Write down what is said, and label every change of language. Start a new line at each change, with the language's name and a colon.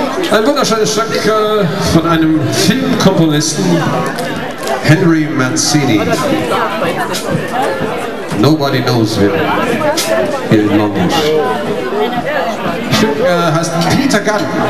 German: Ein wunderschönes Stück von einem Filmkomponisten, Henry Mancini.
English: Nobody knows him in London.
German: Das Stück heißt Peter Gunn.